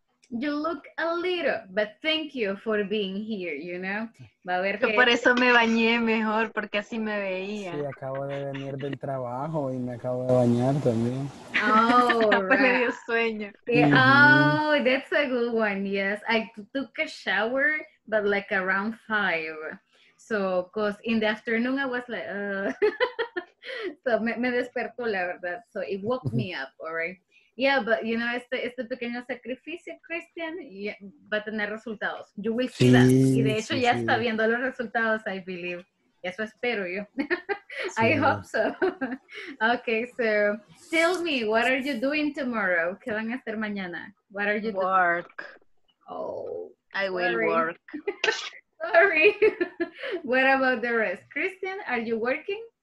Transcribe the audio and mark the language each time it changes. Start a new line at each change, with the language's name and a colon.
English: You look a little, but thank you for being here, you know.
Spanish: Va a ver que por eso me bañé mejor, porque así me veía. Sí, acabo de venir del trabajo y me acabo de bañar también. Oh, pues me dio sueño.
English: Oh, that's a good one, yes. I took a shower, but like around 5. So, because in the afternoon I was like, So,
Spanish: me despertó, la verdad.
English: So, it woke me up, all right. Yeah, but you know,
Spanish: este pequeño sacrificio,
English: Christian, yeah,
Spanish: va a tener resultados.
English: You will see that.
Spanish: Y de hecho, ya está viendo los resultados,
English: I believe.
Spanish: Eso espero yo. Sí,
English: I hope so. Okay, so tell me, what are you doing tomorrow?
Spanish: ¿Qué van a hacer mañana?
English: What are you doing? Work. Oh, I will work. Sorry. What about the rest? Christian, are you working?